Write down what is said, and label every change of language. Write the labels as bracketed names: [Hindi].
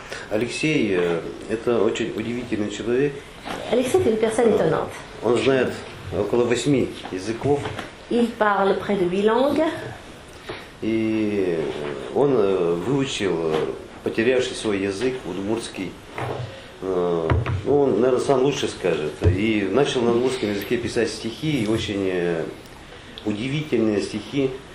[Russian] Алексей это очень удивительный человек. Алексей это персона [French] étonnante. [Russian] Он знает около 8 языков. [French] Il parle près de 8 langues. [Russian] И он выучил потерявший свой язык удмуртский. Ну, он, наверное, сам лучше скажет. И начал на удмуртском языке писать стихи, и очень удивительные стихи.